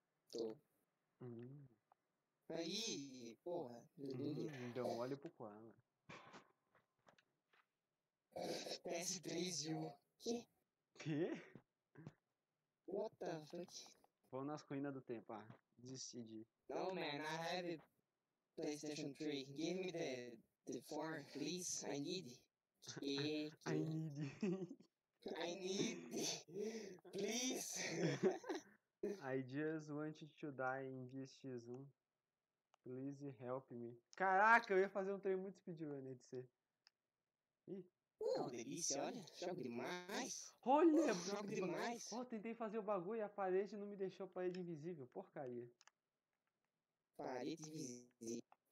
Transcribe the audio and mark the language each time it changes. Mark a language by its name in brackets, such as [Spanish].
[Portuguese] Tô. Aí, porra. Deu um olho pro qual, mano. PS3 e o... Quê? [English] What the fuck? [Portuguese] Vou nas ruínas do tempo, ah. Decidi. [English] No, man, I have PlayStation 3. Give me the 4, please. I need. I need. I need. Please. I just wanted to die in this X1. Please help me. [Portuguese] Caraca, eu ia fazer um treino muito speedrunner de ser. Ih. Delícia, olha. Jogo demais. Olha, jogo demais. Oh, tentei fazer o bagulho e a parede não me deixou parede invisível. Porcaria. Parede invisível.